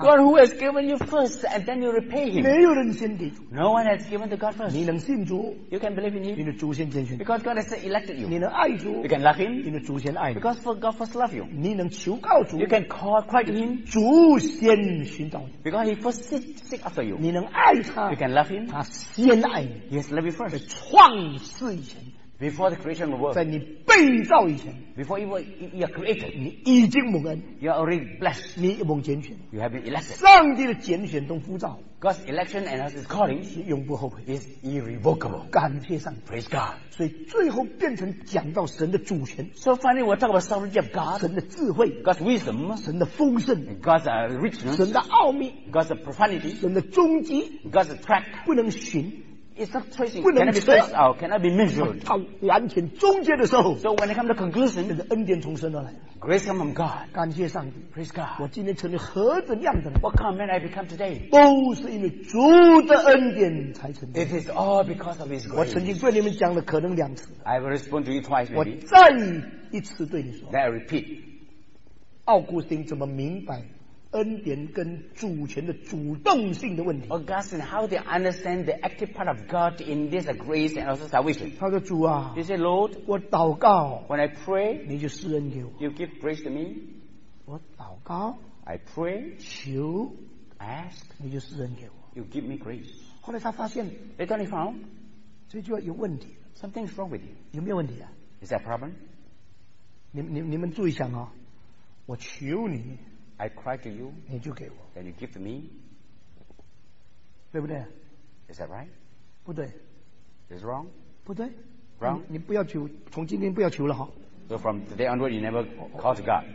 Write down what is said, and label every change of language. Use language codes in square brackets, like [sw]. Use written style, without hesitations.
[en] ？God who has given you first and then you repay him。 [zh] 没有人先给主 [en] ，no one has given to God first。 [zh] 你能信主 [en] ，you can believe in him。 [zh] 你的主先拣选 [en] ，because God has elected you。 [zh] 你能爱主 [en] ，you can love him。 [zh] 你的主先爱你 [en] ，because for God first love you。 [zh] 你能求告主 [en] ，you can call cry to him。 [zh] 主先寻找你 [en] ，because he first seek after you。 [zh] 你能爱他 [en] ，you can love him。 [zh] 他先爱你 [en] ，Yes, love you first。 [zh] 创世以前， [en] Before the creation of the world. [zh] 在你被造以前。 [en] Before you are created. [zh] 你已经蒙恩。 [en] You are already blessed. [zh] 你蒙拣选。 [en] You have been elected. [zh] 上帝的拣选同呼召。 [en] God's election and his calling. [zh] 是永不后悔。 [en] Is irrevocable. [zh] 感谢上帝。 [en] Praise God. [zh] 所以最后变成讲到神的主权。 [en] So finally we'll talk about sovereignty of God. [zh] 神的智慧。 [en] God's wisdom. [zh] 神的丰盛。 [en] God's richness. [zh] 神的奥秘。 [en] God's profundity. [zh] 神的终极。 [en] God's track. [zh] 不能寻。 [en] It's not tracing. Cannot be measured. [zh] 到完全终结的时候。 [en] So when it comes to conclusion, [zh] 你的恩典从神而来。 [en] Grace come from God. [zh] 感谢上帝。 [en] Praise God. [zh] 我今天成为何等样子。 [en] What kind of man I become today? [zh] 都是因为主的恩典才成。 [en] It is all because of His grace. [zh] 我曾经对你们讲了可能两次。 [en] I will respond to you twice, maybe. [zh] 我再一次对你说。 [en] Then I repeat. [zh] 奥古斯丁怎么明白恩典跟主权的主动性的问题。 [en] Augustine, how do you understand the active part of God in this grace and also salvation? [zh] 他说主啊 [en] ，He said, Lord, [zh] 我祷告 [en] ，When I pray, [zh] 你就施恩给我。 [en] You give grace to me. [zh] 我祷告 [en] ，I pray, [zh] 求 [en] ，Ask, [zh] 你就施恩给我。 [en] You give me grace. [zh] 后来他发现 [en] ，Later he found, [zh] 这句话有问题。 [en] Something's wrong with you. [zh] 有没有问题啊 [en] ？Is that a problem? [zh] 你们注意想啊、哦，我求你。 [en] I cry to you, [zh] 你就给我 [en] and you give to me, [zh] 对不对 [en] Is that right? [zh] 不对 [en] Is wrong? [zh] 不对 [en] Wrong? [zh] 你不要求从今天不要求了 [en] So from today onward, you never call to God.